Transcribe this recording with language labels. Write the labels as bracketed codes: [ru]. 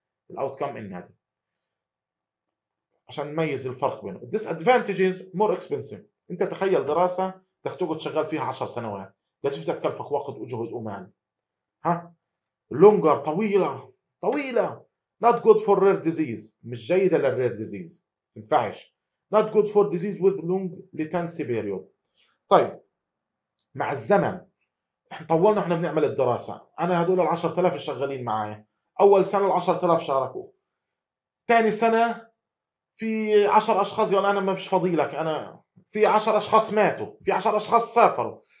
[ar] الاوت كم النادر عشان نميز الفرق بينه. [en] الديس ادفانتجز more expensive. [ar] انت تخيل دراسه بدك تقعد شغال فيها 10 سنوات، قد ايش بدك تكلفك وقت وجهد ومال؟ ها؟ لونجر طويله طويله. [en] Not good for rare disease، [ar] مش جيده للرير ديزيز، ما ينفعش. [en] Not good for disease with long latency period. [ar] طيب مع الزمن احنا طولنا، احنا بنعمل الدراسه، انا هذول ال 10,000 الشغالين معايا، اول سنه ال 10,000 شاركوا، ثاني سنه في 10 اشخاص قال انا مش فاضي لك، انا في 10 اشخاص ماتوا، في 10 اشخاص سافروا.